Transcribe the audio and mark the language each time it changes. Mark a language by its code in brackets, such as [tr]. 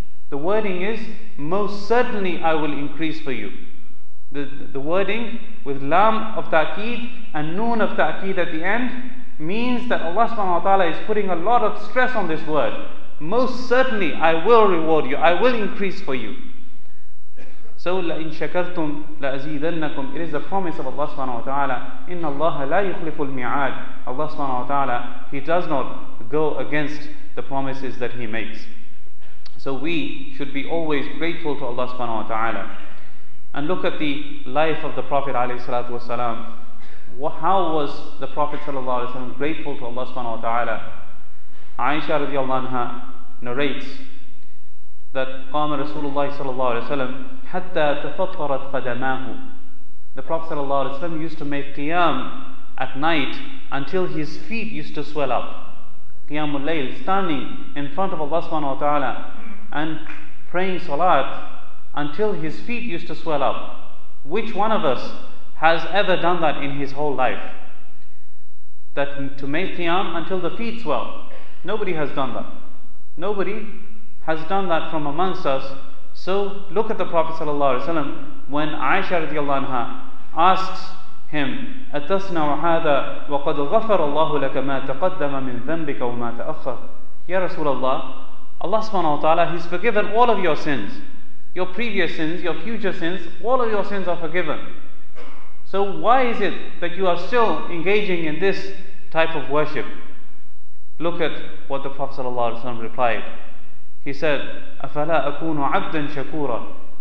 [en] The wording is, most certainly I will increase for you. The wording with lam of ta'keed and noon of ta'keed at the end means that Allah subhanahu wa ta'ala is putting a lot of stress on this word. Most certainly I will reward you, I will increase for you. So [ar] لَإِن شَكَرْتُمْ لَأَزِيدَنَّكُمْ. [en] It is the promise of Allah subhanahu wa ta'ala. [ar] إِنَّ اللَّهَ لَا يُخْلِفُ الْمِعَادِ. [en] Allah subhanahu wa ta'ala, He does not go against the promises that He makes. So we should be always grateful to Allah subhanahu wa ta'ala. And look at the life of the Prophet alayhi salatu wasalam. How was the Prophet sallallahu alayhi wasalam grateful to Allah subhanahu wa ta'ala? Aisha radiallahu anha narrates that [ar] قام رسول الله صلى الله عليه وسلم حتى تفطرت قدماه. [en] The Prophet [ar] صلى الله عليه وسلم [en] used to make qiyam at night until his feet used to swell up. Qiyam al-layl, standing in front of Allah subhanahu wa ta'ala and praying salat until his feet used to swell up. Which one of us has ever done that in his whole life? That to make qiyam until the feet swell. Nobody has done that. Nobody has done that from amongst us. So look at the Prophet ﷺ when Aisha radiallahu anha asks him, [ar] أَتَصْنَعُ هَذَا وَقَدْ غَفَرَ اللَّهُ لَكَ مَا تَقَدَّمَ مِنْ ذَنْبِكَ وَمَا تَأَخَّرَ. [en] Ya Rasulullah, Allah subhanahu wa ta'ala, He's forgiven all of your sins, your previous sins, your future sins, all of your sins are forgiven. So why is it that you are still engaging in this type of worship? Look at what the Prophet sallallahu alaihi wasallam replied. He said, [ar] أَفَلَا أَكُونُ عَبْدًا شَكُورًا.